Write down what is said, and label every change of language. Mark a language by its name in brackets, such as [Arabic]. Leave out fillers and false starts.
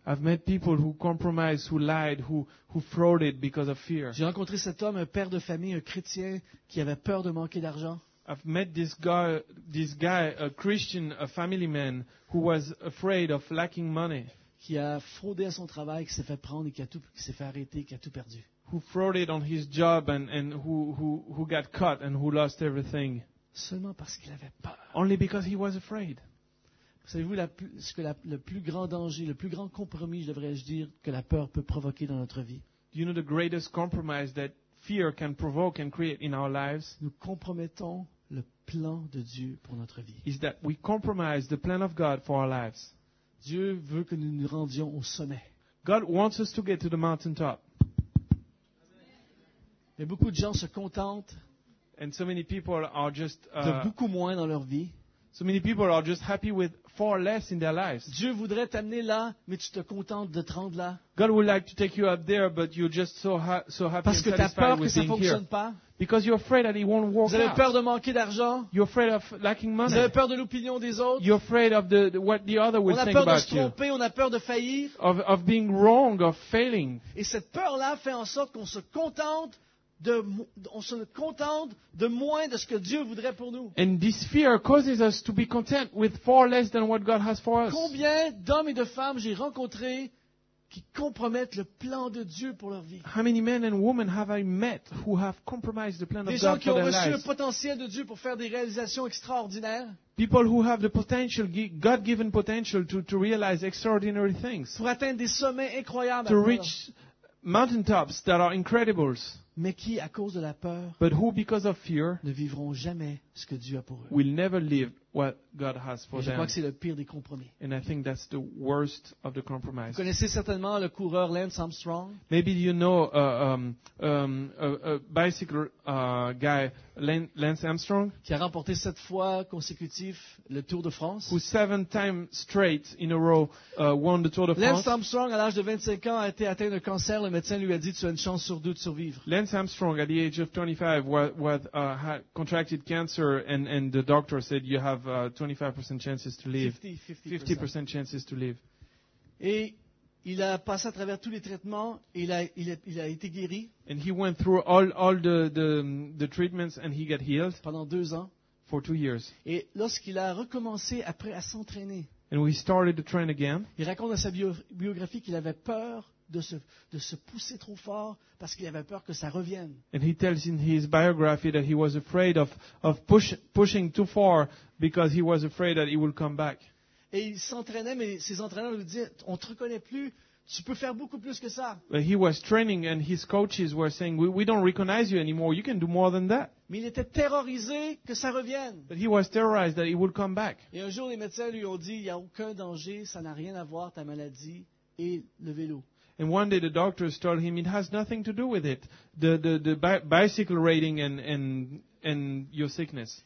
[English] I've met people who compromised, who lied, who frauded because of fear. [French] J'ai rencontré cet homme, un père de famille, un chrétien, qui avait peur de manquer d'argent. [English] I've met this guy, a Christian, a family man, who was afraid of lacking money. [French] Qui a fraudé à son travail, qui s'est fait prendre et qui s'est fait arrêter, qui a tout perdu. [English] Who frauded on his job and who got caught and who lost everything. [French] Seulement parce qu'il avait peur. [English] Only because he was afraid. [French] Savez-vous ce que le plus grand danger, le plus grand compromis, je devrais dire, que la peur peut provoquer dans notre vie? [English] Do you know the greatest compromise that fear can provoke and create in our lives? [French] Nous compromettons le plan de Dieu pour notre vie. [English] Is that we compromise the plan of God for our lives? [French] Dieu veut que nous nous rendions au sommet. [English] God wants us to get to the mountaintop. [French] Mais beaucoup de gens se contentent [English] and so many people are just, [French] de beaucoup moins dans leur vie. [English] So many people are just happy with far less in their lives. [French] Dieu voudrait t'amener là, mais tu te contentes de te rendre là. [English] God would like to take you up there, but you're just so happy. [French] Parce que tu as peur que ça fonctionne [English] here. [French] Pas. [English] Because you're afraid that it won't work. [French] Vous avez peur [English] out. [French] De manquer d'argent. [English] You're afraid of lacking money. [French] Vous avez peur de l'opinion des autres. [English] You're afraid of what the other will think about you. [French] On a peur de se tromper, on a peur de faillir. [English] Of being wrong, of failing. [French] Et cette peur là fait en sorte qu'on se contente. On se contente de moins de ce que Dieu voudrait pour nous. [English] And this fear causes us to be content with far less than what God has for us. [French] Combien d'hommes et de femmes j'ai rencontrés qui compromettent le plan de Dieu pour leur vie? [English] How many men and women have I met who have compromised the plan of God for their lives? [French] Des gens qui ont reçu le potentiel de Dieu pour faire des réalisations extraordinaires. [English] People who have the potential, God-given potential, to realize extraordinary things. [French] Pour atteindre des sommets incroyables. [English] To reach mountaintops that are incredible. [French] Mais qui, à cause de la peur, [English] but who, because of fear, [French] ne vivront jamais ce que Dieu a pour eux. [English] Will never live what God has for them. [French] Je crois que c'est le pire des compromis. [English] And I think that's the worst of the compromise. [French] Vous connaissez certainement le coureur Lance Armstrong. [English] Maybe you know a bicycle guy Lance Armstrong, [French] qui a remporté 7 fois consécutives le Tour de France. [English] Who 7 times straight in a row won the Tour de France. [French] Lance Armstrong, à l'âge de 25 ans, a été atteint de cancer. Le médecin lui a dit, tu as une chance sur 2 de survivre. [English] Lance Armstrong, at the age of 25, had contracted cancer, and the doctor said, you have 25% chances to live. 50% chances to live. [French] Et il a passé à travers tous les traitements, et il a été guéri. [English] And he went through all the treatments, and he got healed. [French] Pendant 2 ans. [English] For 2 years. [French] Et lorsqu'il a recommencé après à s'entraîner. [English] And we started to train again. [French] Il raconte dans sa biographie qu'il avait peur de se pousser trop fort parce qu'il avait peur que ça revienne. [English] And he tells in his biography that he was afraid of pushing too far because he was afraid that it would come back. [French] Et il s'entraînait, mais ses entraîneurs lui disaient, on te reconnaît plus, tu peux faire beaucoup plus que ça. [English] But he was training and his coaches were saying, we don't recognize you anymore, you can do more than that. [French] Mais il était terrorisé que ça revienne. [English] But he was terrorized that it would come back. [French] Et un jour les médecins lui ont dit, il n'y a aucun danger, ça n'a rien à voir, ta maladie et le vélo. [English] And one day the doctors told him it has nothing to do with it, the bicycle riding and your sickness.